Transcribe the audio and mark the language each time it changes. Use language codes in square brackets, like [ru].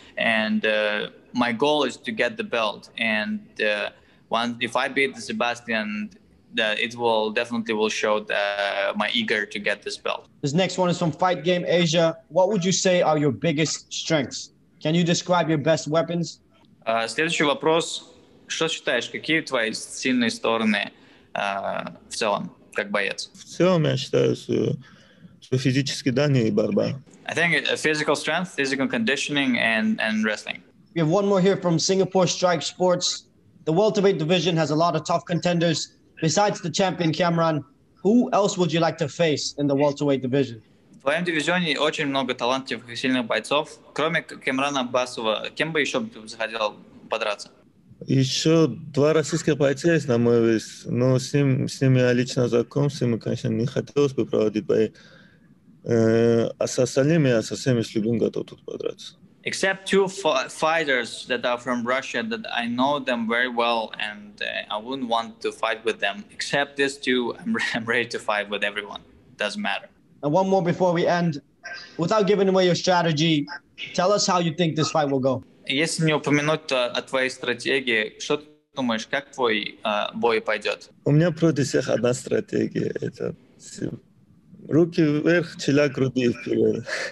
[en] And my goal is to get the belt. And if I beat Sebastian, it will definitely show my eager to get this belt. This next one is from Fight Game Asia. What would you say are your biggest strengths? Can you describe your best weapons? [ru] Следующий вопрос. Что считаешь, какие твои сильные стороны в целом, как боец? В целом, я считаю, что физические данные и борьба. [en] I think physical strength, physical conditioning and wrestling. We have one more here from Singapore Strike Sports. The welterweight division has a lot of tough contenders. Besides the champion Cameron, who else would you like to face in the welterweight division? [ru] В твоем дивизионе очень много талантливых и сильных бойцов. Кроме Кемрана Басова, кем бы еще ты захотел подраться? Еще два российских бойца есть на мой вес, но с ним я лично знаком, с ним, конечно, не хотелось бы проводить бои. А с остальными я со всеми с любым готов тут подраться. [en] Except two fighters that are from Russia that I know them very well and I wouldn't want to fight with them. Except these two, I'm ready to fight with everyone. Doesn't matter. And one more before we end. Without giving away your strategy, tell us how you think this fight will go. [ru] Если не упомянуть о твоей стратегии, что ты думаешь, как твой бой пойдет? У меня против всех одна стратегия. Это руки вверх, челя груди вперед.